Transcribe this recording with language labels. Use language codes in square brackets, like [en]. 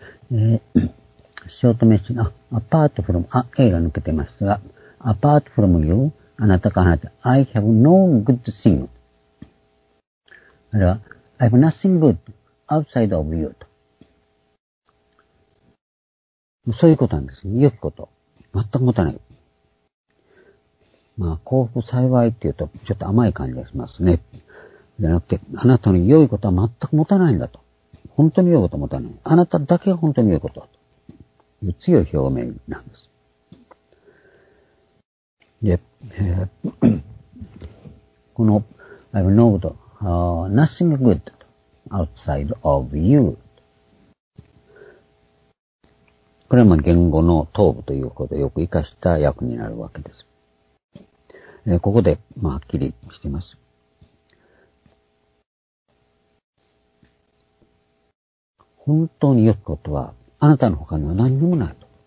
[ja] ショートメッセージ、apart from, A が抜けてますが、 [en] apart from you, [ja] あなたかあなた、 [en] I have no good thing. あれは、I have nothing good outside of you. [ja] とそういうことなんですね。良きこと。全く持たない。まあ、幸福幸いっていうと、ちょっと甘い感じがしますね。じゃなくて、あなたの良いことは全く持たないんだと。本当に良いことを持たない。あなただけが本当に良いことだと。いう強い表明なんです。 [en] で、この、I have no good, nothing good outside of you. [ja] これは言語の頭部ということをよく活かした訳になるわけです。ここで、まあ、はっきりしています。本当に良きことは、あなたの他には何にもないと。